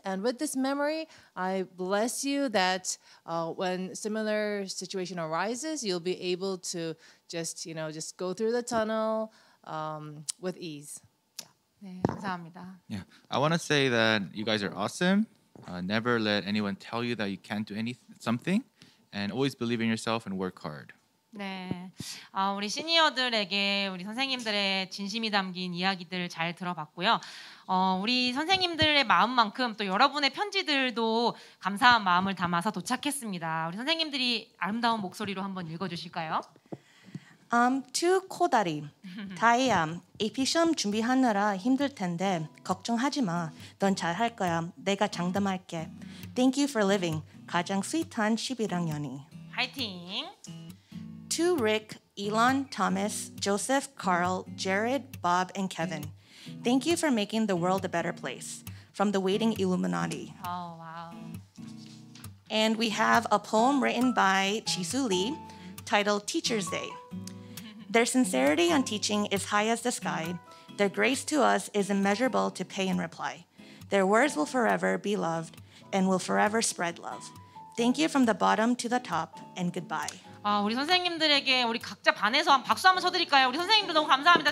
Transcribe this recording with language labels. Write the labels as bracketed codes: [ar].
[en] And with this memory, I bless you that when similar situation arises, you'll be able to just, you know, just go through the tunnel with ease. [ko] Yeah. 네, 감사합니다. [en] Yeah, I want to say that you guys are awesome. Never let anyone tell you that you can't do something, and always believe in yourself and work hard. [ko] 네, 아, 우리 시니어들에게 우리 선생님들의 진심이 담긴 이야기들 잘 들어봤고요. 우리 선생님들의 마음만큼 또 여러분의 편지들도 감사한 마음을 담아서 도착했습니다. 우리 선생님들이 아름다운 목소리로 한번 읽어주실까요? To 코다리, 다이아, AP 시험 준비하느라 힘들 텐데 걱정하지 마. 넌 잘할 거야. 내가 장담할게. [en] Thank you for living. [ko] 가장 스윗한 11학년이. 화이팅! [en] To Rick, Elon, Thomas, Joseph, Carl, Jared, Bob, and Kevin. Thank you for making the world a better place. From the Waiting Illuminati. Oh, wow. And we have a poem written by Jisoo Lee titled Teacher's Day. Their sincerity on teaching is high as the sky. Their grace to us is immeasurable to pay in reply. Their words will forever be loved and will forever spread love. Thank you from the bottom to the top and goodbye. [ko] 아, 우리 선생님들에게 우리 각자 반에서 한 박수 한번 쳐드릴까요? 우리 선생님들 너무 감사합니다.